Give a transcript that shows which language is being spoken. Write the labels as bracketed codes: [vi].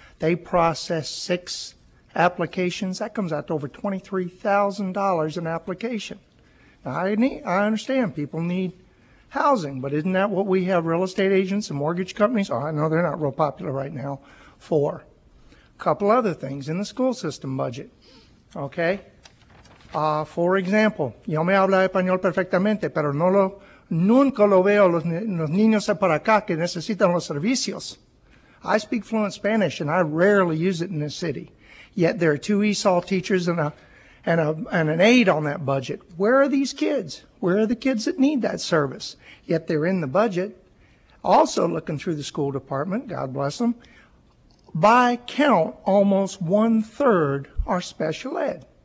[en] They processed 6 applications. That comes out to over $23,000 an application. Now, I understand people need housing, but isn't that what we have real estate agents and mortgage companies? Oh, I know they're not real popular right now for. A couple other things in the school system budget, okay? [es] For example, yo me habla español perfectamente, pero no lo nunca lo veo los niños para acá que necesitan los servicios. [en] I speak fluent Spanish, and I rarely use it in this city. Yet there are 2 ESOL teachers and an aide on that budget. Where are these kids? Where are the kids that need that service? Yet they're in the budget. Also looking through the school department, God bless them, by count, almost 1/3 are special ed.